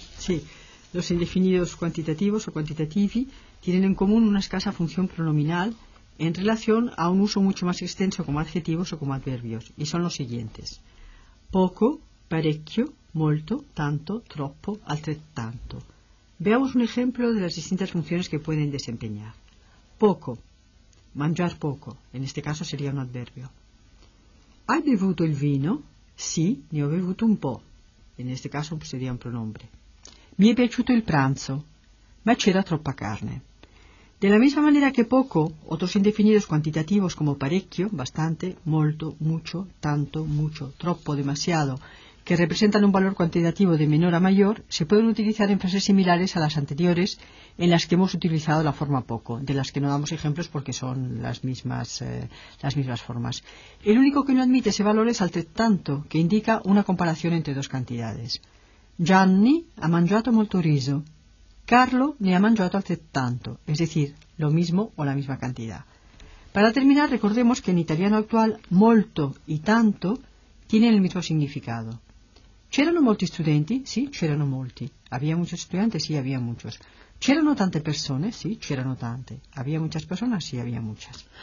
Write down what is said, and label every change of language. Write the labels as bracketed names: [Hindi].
[Spanish] Sí, los indefinidos cuantitativos o quantitativi tienen en común una escasa función pronominal en relación a un uso mucho más extenso como adjetivos o como adverbios, y son los siguientes: poco, parecchio, molto, tanto, troppo, altrettanto. Veamos un ejemplo de las distintas funciones que pueden desempeñar. Poco, [Italian] mangiar poco, [Spanish] en este caso sería un adverbio. [Italian] ¿Hai bevuto il vino? Sí, ne ho bevuto un po', [Spanish] en este caso sería un pronombre. [Italian] Mi è piaciuto il pranzo, ma c'era troppa carne. [Spanish] De la misma manera que poco, otros indefinidos cuantitativos como parecchio, bastante, molto, mucho, tanto, mucho, troppo, demasiado, que representan un valor cuantitativo de menor a mayor, se pueden utilizar en frases similares a las anteriores en las que hemos utilizado la forma poco, de las que no damos ejemplos porque son las mismas formas. El único que no admite ese valor es altrettanto, que indica una comparación entre dos cantidades. [Italian] Gianni ha mangiato molto riso. Carlo ne ha mangiato altrettanto, [Spanish] es decir, lo mismo o la misma cantidad. Para terminar, recordemos que en italiano actual molto y tanto tienen el mismo significado. [Italian] ¿C'erano molti studenti? Sí, c'erano molti. [Spanish] ¿Había muchos estudiantes? Sí, había muchos. [Italian] ¿C'erano tante persone? Sí, c'erano tante. [Spanish] ¿Había muchas personas? Sí, había muchas.